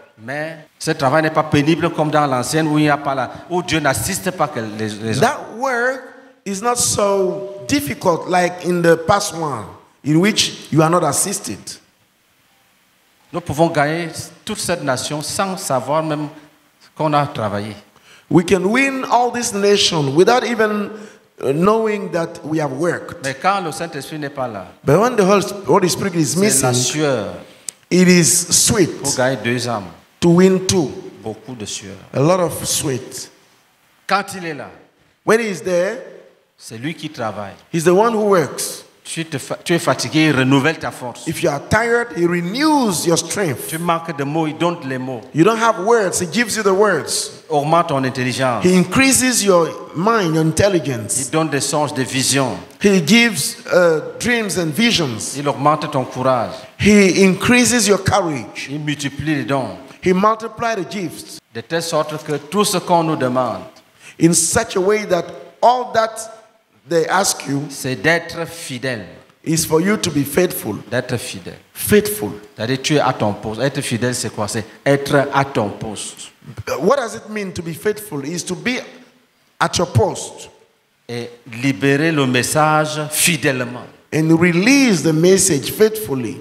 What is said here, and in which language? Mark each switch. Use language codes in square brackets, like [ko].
[fr] Mais ce travail n'est pas pénible comme dans l'ancienne où il y a pas la, où Dieu n'assiste pas que les gens. [en] That work is not so difficult like in the past one, in which you are not assisted. [fr] Nous pouvons gagner toute cette nation sans savoir même qu'on a travaillé. [en] We can win all this nation without even knowing that we have worked. [fr] Mais quand le Saint-Esprit n'est pas là, [en] but when the Holy Spirit is missing, [fr] c'est la sueur. [en] It is sweat. [fr] Pour gagner deux âmes, [en] to win two. [fr] Beaucoup de sueur. [en] A lot of sweat. [fr] Quand il est là, [en] when he is there, [fr] c'est lui qui travaille. [en] He's the one who works. [fr] Tu es fatigué, il renouvelle ta force. [en] If you are tired, he renews your strength. [fr] Tu manques de mots, il donne les mots. [en] You don't have words, he gives you the words. [fr] Augmente ton intelligence. [en] He increases your mind, your intelligence. [fr] Il donne des songes, des visions. [en] He gives dreams and visions. [fr] Il augmente ton courage. [en] He increases your courage. [fr] Il multiplie les dons. [en] He multiplies the gifts. [fr] De telle sorte que tout ce qu'on nous demande, [en] in such a way that all that they ask you, [fr] c'est d'être fidèle. [en] Is for you to be faithful. [fr] D'être fidèle. [en] Faithful. [fr] C'est-à-dire tu es à ton poste. Être fidèle, c'est quoi? C'est être à ton poste. [en] What does it mean to be faithful? Is to be at your post. [fr] Et libérer le message fidèlement. [en] And release the message faithfully.